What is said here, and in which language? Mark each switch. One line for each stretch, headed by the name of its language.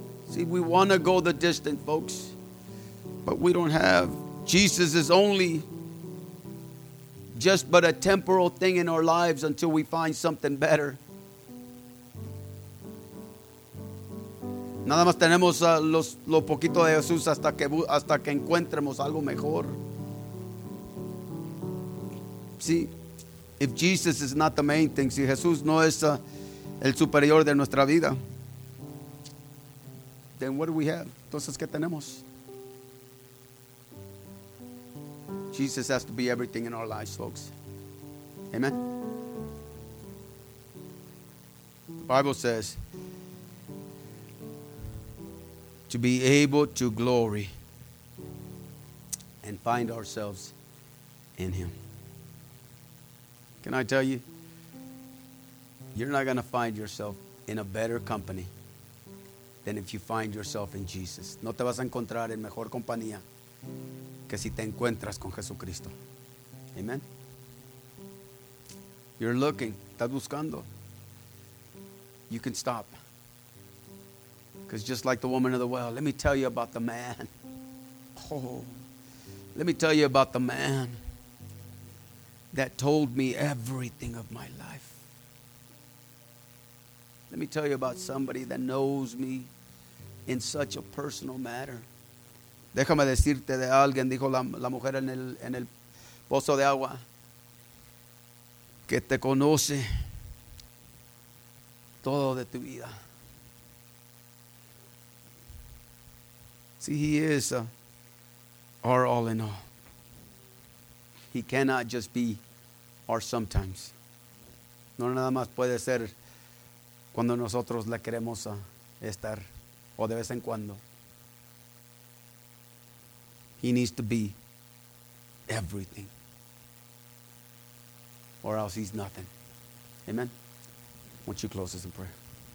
English: See, we want to go the distance, folks. But we don't have. Jesus is only just but a temporal thing in our lives until we find something better.
Spanish: Nada más tenemos lo poquito de Jesús hasta que encuentremos algo mejor.
English: See, if Jesus is not the main thing,
Spanish: si Jesús no es el superior de nuestra vida,
English: then what do we have?
Spanish: Entonces, ¿qué tenemos?
English: Jesus has to be everything in our lives, folks. Amen. The Bible says to be able to glory and find ourselves in Him. Can I tell you? You're not going to find yourself in a better company than if you find yourself in Jesus.
Spanish: No te vas a encontrar en mejor compañía que si te encuentras con Jesucristo.
English: Amen. You're looking.
Spanish: Estás buscando.
English: You can stop. Because just like the woman of the well, let me tell you about the man. Oh, let me tell you about the man that told me everything of my life. Let me tell you about somebody that knows me in such a personal matter.
Spanish: Déjame decirte de alguien, dijo la mujer en el pozo de agua, que te conoce todo de tu vida.
English: See, He is our all in all. He cannot just be our sometimes.
Spanish: No nada más puede ser cuando nosotros le queremos estar o de vez en cuando.
English: He needs to be everything, or else He's nothing. Amen. Why don't you close this in prayer?